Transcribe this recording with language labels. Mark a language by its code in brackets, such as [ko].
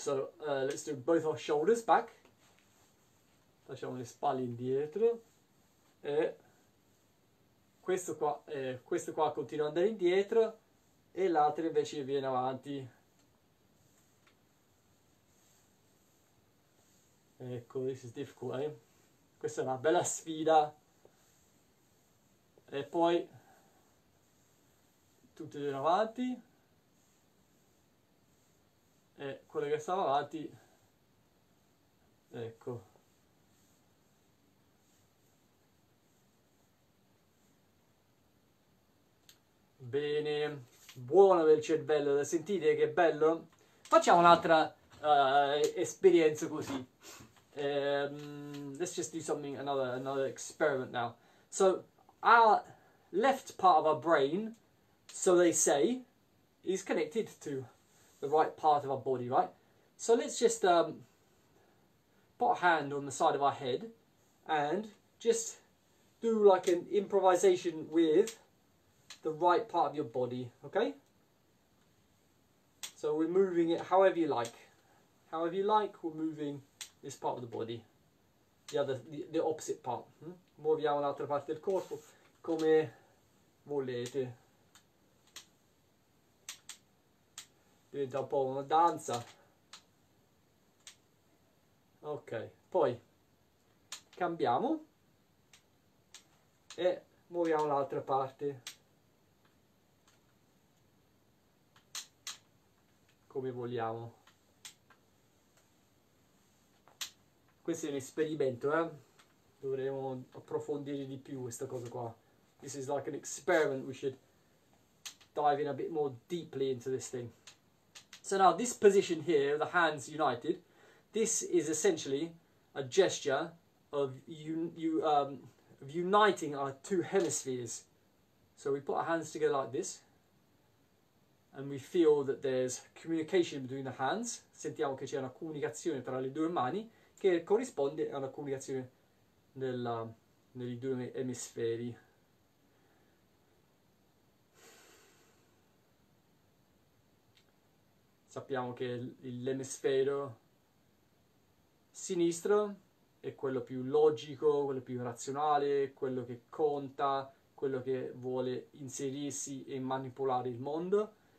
[en] So let's do both our shoulders back. [it] Facciamo le spalle indietro. E questo qua continua ad andare indietro e l'altro invece viene avanti. [en] Ecco, this is difficult, eh? [it] Questa è una bella sfida. E poi tutti in avanti e quello che stava avanti, ecco. Bene, buono del cervello, sentite che bello? Facciamo un'altra esperienza così. [en] Let's just do something another experiment now. So our left part of our brain, so they say, is connected to the right part of our body, right? So let's just put a hand on the side of our head and just do like an improvisation with the right part of your body, okay? So we're moving it however you like. However you like, we're moving this part of the body. The opposite part. [it] Muoviamo l'altra parte del corpo come volete. Diventa un po' una danza. Ok, poi cambiamo e muoviamo l'altra parte come vogliamo. Questo è un esperimento, eh? Dovremmo approfondire di più questa cosa qua. [en] This is like an experiment. We should dive in a bit more deeply into this thing. So now this position here, the hands united, this is essentially a gesture of of uniting our two hemispheres. So we put our hands together like this, and we feel that there's communication between the hands. [it] Sentiamo che c'è una comunicazione tra le due mani che corrisponde a una comunicazione nei due emisferi. Sappiamo che l'emisfero sinistro è quello più logico, quello più razionale, quello che conta, quello che vuole inserirsi e manipolare il mondo,